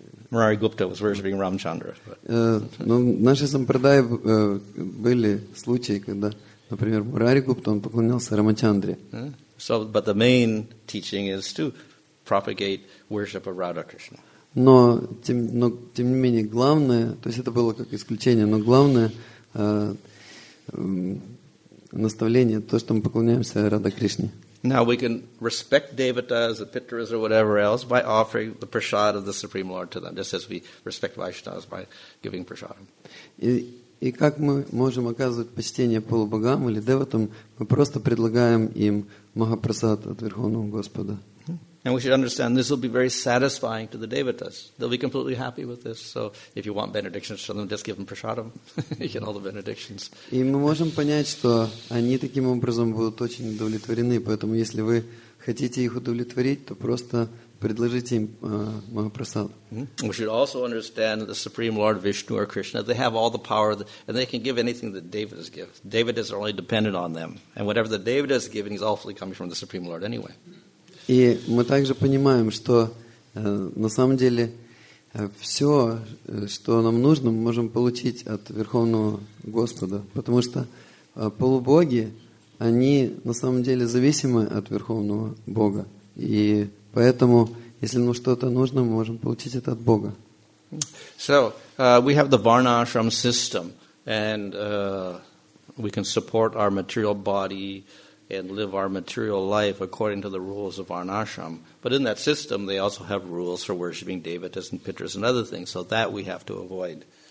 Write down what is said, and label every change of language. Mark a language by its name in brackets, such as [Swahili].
[English] Murarigupta was worshiping Ramchandra. [Russian] Но в нашей сампрадае были случаи, когда, например, Мурари-гупта, он поклонялся Рамачандре. [English] So, but the main teaching is to propagate worship of Radha Krishna. [Russian] Но тем не менее главное, то есть это было как исключение, но главное наставление, то, что мы поклоняемся Радха Кришне. [English] Now we can respect devatas, the pitras or whatever else by offering the prasad of the Supreme Lord to them, just as we respect Vaishnavas by giving prasad. [Russian] И как мы можем оказывать почтение полубогам или деватам, мы просто предлагаем им Махапрасад от Верховного Господа. [English] And we should understand this will be very satisfying to the devatas. They'll be completely happy with this. So if you want benedictions from them, just give them prasadam. You get all the benedictions. [Russian] И мы можем понять, что они таким образом будут очень удовлетворены. Поэтому если вы хотите их удовлетворить, то просто предложите им Махапрасад. [English] We should also understand that the Supreme Lord Vishnu or Krishna, they have all the power and they can give anything that devatas give. Devatas are only dependent on them. And whatever the devatas giving is awfully coming from the Supreme Lord anyway. [Russian] И мы также понимаем, что на самом деле все, что нам нужно, мы можем получить от Верховного Господа. Потому что полубоги, они на самом деле зависимы от Верховного Бога. И поэтому, если нам что-то нужно, мы можем получить это от Бога. [English] So, we have the Varna Ashram system, and we can support our material body and live our material life according to the rules of Varnashram. But in that system, they also have rules for worshipping devatas and pitras and other things, so that we have to avoid.